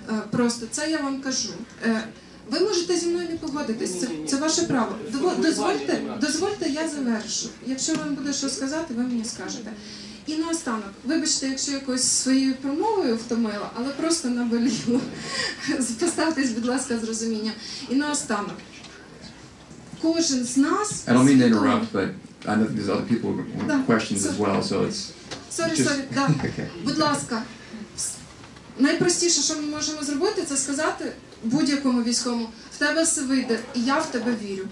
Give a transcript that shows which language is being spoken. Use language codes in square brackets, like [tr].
[uk] Просто це я вам кажу. Ви можете зі мною не погодитись, це ваше право. Дозвольте, я завершу. Якщо вам буде що сказати, ви мені скажете. І наостанок, вибачте, якщо якось своєю промовою втомила, але просто наболіло. Поставтесь, будь ласка, з розумінням. І наостанок. Кожен з нас... [en] I don't mean to interrupt, but I know there's other people with questions as well, so it's... Sorry, [uk] да. Будь ласка. Найпростіше, що ми можемо зробити, це сказати будь-якому військовому, в тебе все вийде, і я в тебе вірю.